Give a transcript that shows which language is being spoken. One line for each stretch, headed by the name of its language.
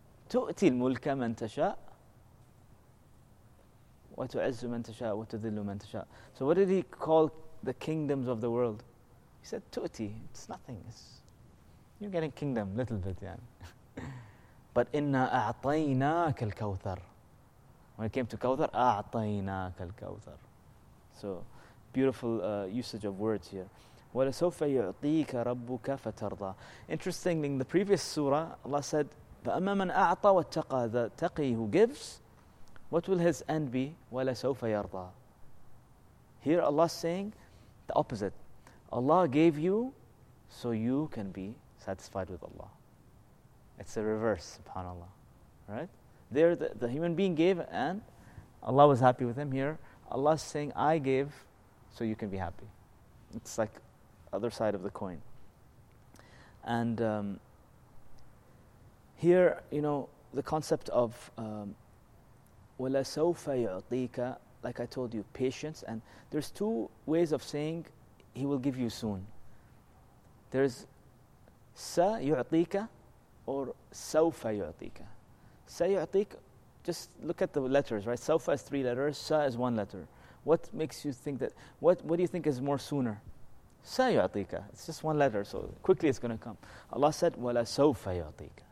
Arabic: تُؤْتِي الْمُلْكَ مَنْ تَشَاءُ وَتُعِزُّ مَنْ تَشَاءُ وَتُذِلُّ مَنْ تَشَاءُ.
English: So what did He call the kingdoms of the world? He said, تُؤْتِي, it's nothing. It's, you're getting kingdom, little bit, yeah. But
Arabic: إِنَّا أَعْطَيْنَاكَ الْكَوْثَرُ.
English: When it came to كَوْثَرُ,
Arabic: أَعْطَيْنَاكَ الْكَوْثَرُ.
English: So, beautiful usage of words here.
Arabic: وَلَسَوْفَ يُعْطِيكَ رَبُّكَ فَتَرْضَى.
English: Interestingly, in the previous surah, Allah said,
Arabic: فَأَمَّا مَنْ أَعْطَى وَاتَّقَى.
English: The taqi who gives, what will his end be?
Arabic: وَلَسَوْفَ يَرْضَى.
English: Here Allah is saying the opposite. Allah gave you so you can be satisfied with Allah. It's a reverse, subhanAllah. Right? There the human being gave and Allah was happy with him. Here Allah is saying, I gave so you can be happy. It's like other side of the coin. And here, you know, the concept of
Arabic: وَلَا سَوْفَ يُعْطِيكَ,
English: like I told you, patience. And there's two ways of saying He will give you soon. There's سَيُعْطِيكَ or سَوْفَ يُعْطِيكَ. سَيُعْطِيكَ, just look at the letters, right? سَوْفَ is three letters, سَ is one letter. What makes you think that, what do you think is more sooner?
Arabic: سَيُعْطِيكَ.
English: It's just one letter, so quickly it's going to come. Allah said,
Arabic: وَلَا سَوْفَ يُعْطِيكَ.